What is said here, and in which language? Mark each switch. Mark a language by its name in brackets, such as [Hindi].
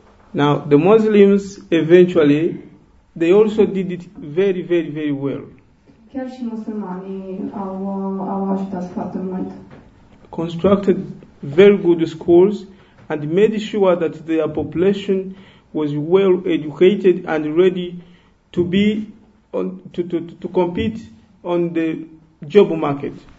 [English] Now, the Muslims eventually, they also did it very, very, very well. [Romanian] Chiar și musulmanii au ajutat foarte mult. [English] Constructed very good schools and made sure that their population was well educated and ready to be on to compete on the job market.